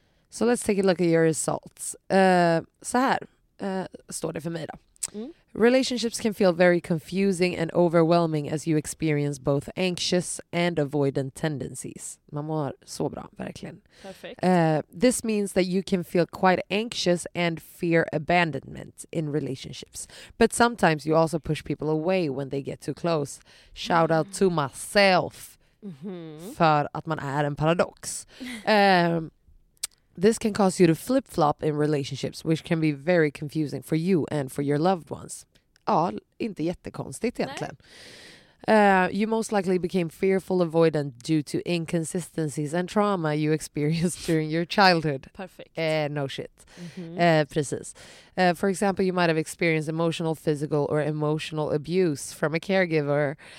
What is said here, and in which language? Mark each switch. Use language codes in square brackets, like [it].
[en] So let's take a look at your results. [sv] Så här står det för mig då. [en] "Relationships can feel very confusing and overwhelming as you experience both anxious and avoidant tendencies." [sv] Man mår så bra, verkligen. [en] Perfect. "This means that you can feel quite anxious and fear abandonment in relationships. But sometimes you also push people away when they get too close." Shout out to myself. [sv] För att man är en paradox. [en] "This can cause you to flip-flop in relationships, which can be very confusing for you and for your loved ones." [sv] Ja, inte jättekonstigt egentligen. [en] "You most likely became fearful avoidant due to inconsistencies and trauma you experienced during your childhood." Perfect. No shit. [sv] Precis. [en] "For example, you might have experienced emotional, physical or emotional abuse from a caregiver."